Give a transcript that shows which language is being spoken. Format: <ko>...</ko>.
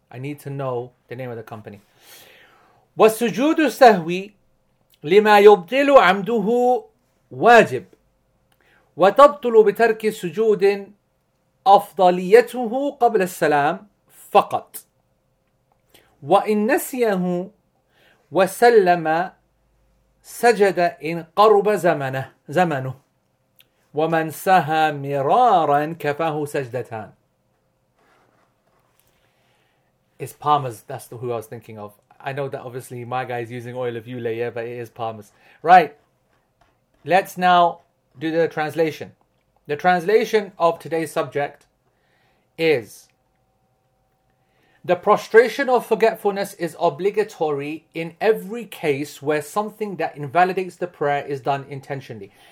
<en>I need to know the name of the company.</en> <ar>والسجود السهوي لما يبطل عمده واجب وتبطل بترك سجود أفضليته قبل السلام فقط وإن نسيه وسلم سجد إن قرب زمنه ومن سهى مرارا كفاه سجدتان.</ar> <en>It's Palmer's, that's who I was thinking of. I know that obviously my guy is using oil of Yule, yeah, but it is Palmer's. Right, let's now do the translation. The translation of today's subject is, the prostration of forgetfulness is obligatory in every case where something that invalidates the prayer is done intentionally.</en>